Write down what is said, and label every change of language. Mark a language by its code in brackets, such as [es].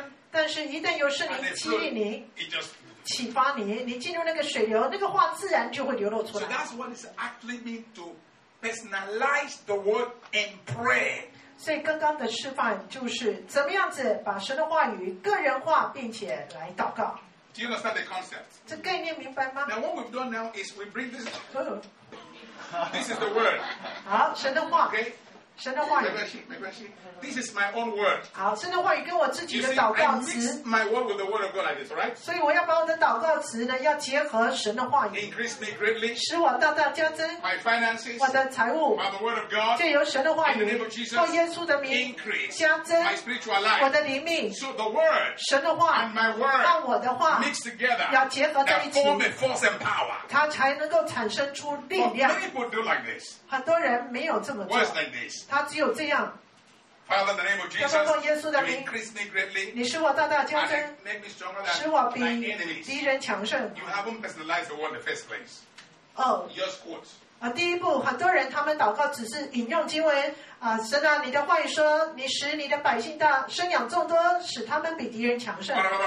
[zh] 但是一旦有圣灵激励你，启发你，你进入那个水流，那个话自然就会流露出来。 [en] So that's what it's actually meant to personalize the word and pray. [zh] 所以刚刚的示范就是怎么样子把神的话语个人化，并且来祷告。 [en] Do you understand the concept? [zh] 这概念明白吗？ [en] Now what we've done now is we bring this. This is the word. [zh] 好，神的话。 [en] Okay. [zh] 神的话语。没关系。 [en] This is my own word. [zh] 好，神的话语跟我自己的祷告词。 [en] You see, I mix my word with the word of God like this, right? [zh] 所以我要把我的祷告词呢，要结合神的话语。 [en] Increase me greatly. [zh] 使我大大加增。 [en] My finances. [zh] 我的财务。 [en] By the word of God. [zh] 借由神的话语。 [en] In the name of Jesus. [zh] 奉耶稣的名。 [en] Increase. [zh] 加增。 [en] My spiritual life. [zh] 我的灵命。 [en] So the word. [zh] 神的话。 [en] And my word. [zh] 和我的话。 [en] Mix together. [zh] 要结合在一起。 [en] Form and force and power. [zh] 它才能够产生出力量。 [en] But many people do like this. [zh] 很多人没有这么做。 [en] Words like this. [zh] 他只有这样。 [en] Father, in the name of Jesus, [zh] 要奉耶稣的名， [en] increase me greatly, [zh] 你使我大大加增，使我比敌人强盛。 [en] You haven't personalized the word in the first place. Oh, just quote. [zh] 啊，第一步，很多人他们祷告只是引用经文啊，神啊，你的话语说，你使你的百姓大生养众多，使他们比敌人强盛。